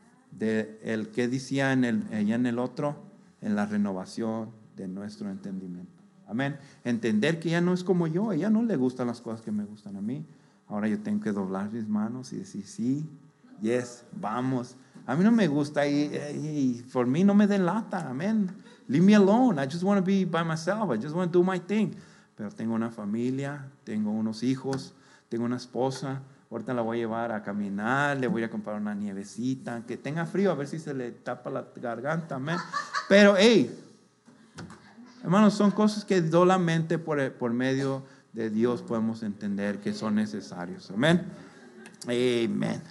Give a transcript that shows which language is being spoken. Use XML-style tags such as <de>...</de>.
<es>De el que decía allá en el otro, en la renovación de nuestro entendimiento. Amén. Entender que ella no es como yo, a ella no le gustan las cosas que me gustan a mí. Ahora yo tengo que doblar mis manos y decir sí, yes, vamos. A mí no me gusta y por mí no me den lata, amén.</es> <en>Leave me alone, I just want to be by myself, I just want to do my thing.</en> <es>Pero tengo una familia, tengo unos hijos, tengo una esposa. Ahorita la voy a llevar a caminar, le voy a comprar una nievecita, que tenga frío, a ver si se le tapa la garganta, amén. Pero hey, hermanos, son cosas que solamente por medio de Dios podemos entender que son necesarios. Amén. Amén.</es>